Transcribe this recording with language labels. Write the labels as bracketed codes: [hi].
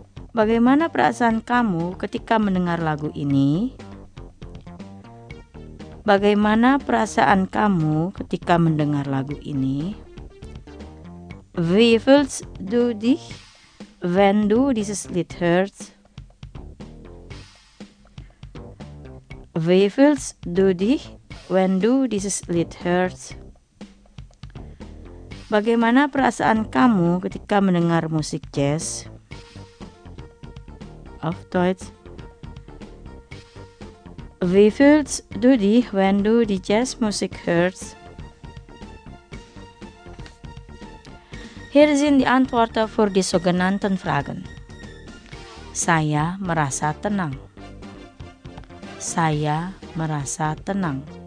[id] Bagaimana perasaan kamu ketika mendengar lagu ini? Bagaimana perasaan kamu ketika mendengar lagu ini? [de] Wie fühlst du dich, wenn du dieses Lied hörst? Wie fühlst du dich, wenn du dieses Lied hörst? [id] Bagaimana perasaan kamu ketika mendengar musik jazz? [de] Auf Deutsch. Wie fühlst du dich, wenn du die Jazzmusik hörst? Hier sind die Antworten für die sogenannten Fragen. [id] Saya merasa tenang. Saya merasa tenang.